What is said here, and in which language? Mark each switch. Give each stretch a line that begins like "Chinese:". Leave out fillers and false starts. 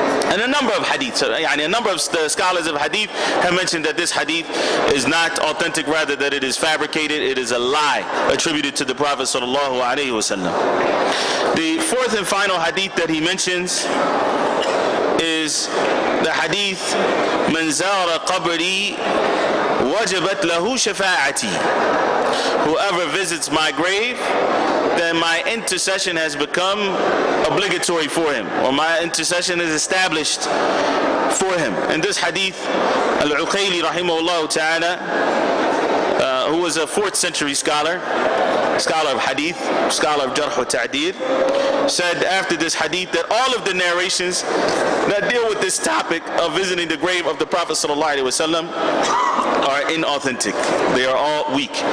English: And a number of hadith, yani a number of the scholars of hadith have mentioned that this hadith is not authentic, rather that it is fabricated, it is a lie attributed to the Prophet sallallahu alaihi wasallam. The fourth and final hadith that he mentions is the
Arabic: the hadith, من زار قبري وجبت له شفاعتي.
English: Whoever visits my grave, then my intercession has become obligatory for him, or my intercession is established for him. In this hadith, Al-Uqayli rahimahullah ta'ala, who was a 4th century scholar, scholar of hadith, scholar of jarh wa ta'dir, said after this hadith that all of the narrations that deal with this topic of visiting the grave of the Prophet sallallahu alaihi wasallam are inauthentic. They are all weak.